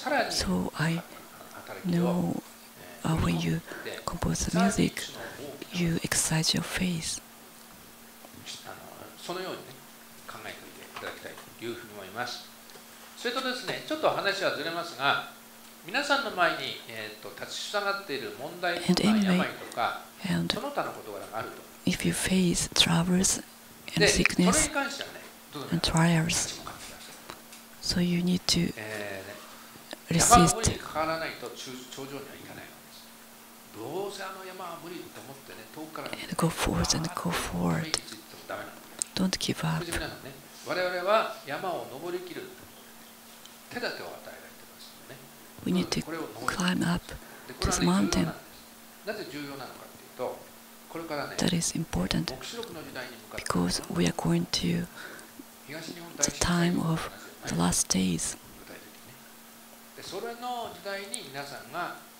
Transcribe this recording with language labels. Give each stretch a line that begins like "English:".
English: So I know when you compose the music, you exercise your faith.
Japanese: そのようにね、考えていただきたいというふうに思います。それとですね、ちょっと話はずれますが、皆さんの前に立ち塞がっている問題とか病とか、
English: And
Japanese: その他のことがあると。
English: If you face troubles and sickness and trials, so you need to resist.
Japanese: 山上にかからないと頂上には行かないのです。どうせあの山は無理と思ってね、遠くから見て。
English: And go forward and go forward. Don't give up.
Japanese: 皆さんね、我々は山を登りきる手立てを与えられてますよね。
English: We need to climb up to the mountain.
Japanese: なぜ重要なのか。これからね、
English: That is important because we are going to the time of the last days.
Japanese: それの時代に皆さんが